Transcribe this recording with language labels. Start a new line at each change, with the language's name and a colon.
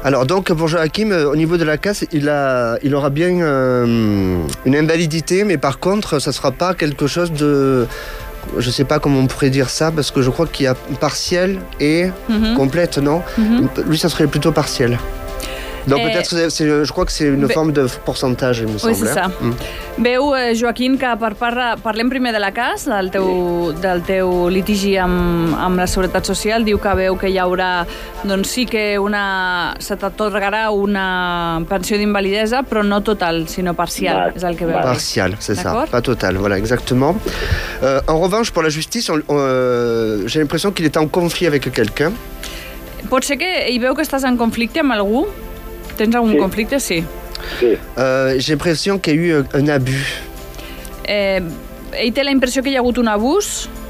French: Alors, donc, pour Joaquim, au niveau de la CAS, il aura bien une invalidité, mais par contre, ça ne sera pas quelque chose de... Je ne sais pas comment on pourrait dire ça, parce que je crois qu'il y a partiel et complète, non? Lui, ça serait plutôt partiel. Donc peut-être, je crois que c'est une forme de pourcentage, il me semble. Oui, c'est ça. Mm.
Catalan: Veu, Joaquim, que parlem primer de la CAS, del teu litigi amb la Seguretat Social, diu que veu que hi haurà, doncs sí que se t'atorgarà una pensió d'invalidesa, però no total, sinó parcial, és el que veu.
French: Parcial, c'est ça, pas total, voilà, exactement. En revanche, pour la justice, j'ai l'impression qu'il est en conflit avec quelqu'un.
Catalan: Pot ser que hi veu que estàs en conflicte amb algú? Tens algun conflicte? Sí. J'ai l'impressió que hi ha hagut un abús. Ell té la impressió que hi ha hagut un abús?